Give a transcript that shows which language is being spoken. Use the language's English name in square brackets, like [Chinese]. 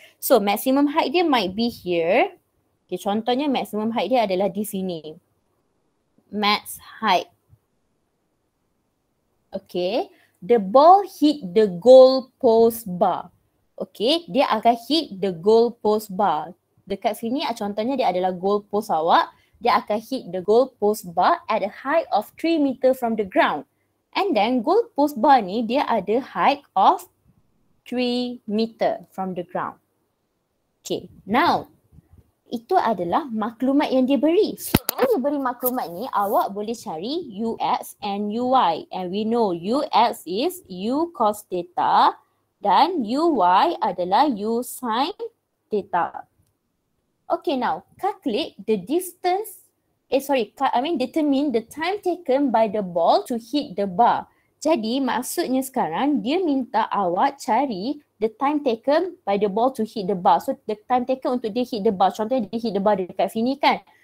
[English] So maximum height dia might be here. [Malay] Okay, contohnya maximum height dia adalah di sini. [English] Max height. Okay, the ball hit the goal post bar. Okay, dia akan hit the goal post bar. [Malay] Dekat sini contohnya dia adalah goal post awak. Dia akan [English] hit the goal post bar at a height of 3 meter from the ground. And then goal post bar ni dia ada height of 3 meter from the ground. [Malay] Okay, now itu adalah maklumat yang dia beri. So bila dia beri maklumat ni, awak boleh cari UX and UY. [English] And we know UX is U cos theta. [Malay] Dan UY adalah U sin theta. [English] Okay, now calculate the distance. Determine the time taken by the ball to hit the bar. [Malay] Jadi maksudnya sekarang dia minta awak cari [English] the time taken by the ball to hit the bar. So the time taken [Malay] untuk dia hit the bar. Contohnya dia hit the bar dekat sini kan.